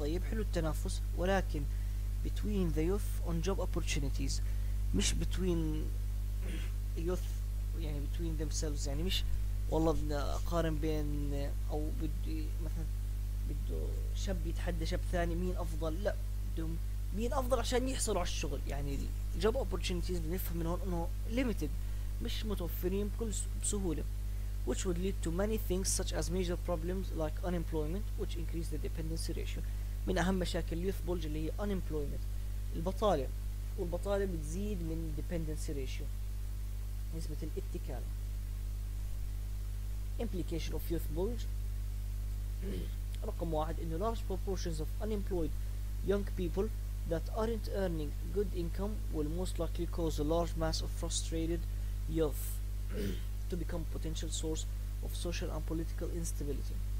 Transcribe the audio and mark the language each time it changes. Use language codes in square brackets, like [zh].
[ar] طيب حلو التنافس، ولكن [en] between the youth on job opportunities، [ar] مش [en] between youth [ar] يعني [en] between themselves، [ar] يعني مش والله بدنا أقارن بين أو بدي مثلا بده شاب يتحدى شاب ثاني مين أفضل، لا بدهم مين أفضل عشان يحصلوا على الشغل. يعني job opportunities بنفهم من هون أنه limited، مش متوفرين بكل بسهولة. [en] which would lead to many things such as major problems like unemployment which increase the dependency ratio. [ar] من اهم مشاكل youth bulge اللي هي unemployment، البطالة، والبطالة بتزيد من dependency ratio، نسبة الاتكال. [en] implication of youth bulge [ar] رقم واحد انه [en] large proportions of unemployed young people that aren't earning good income will most likely cause a large mass of frustrated youth to become potential source of social and political instability.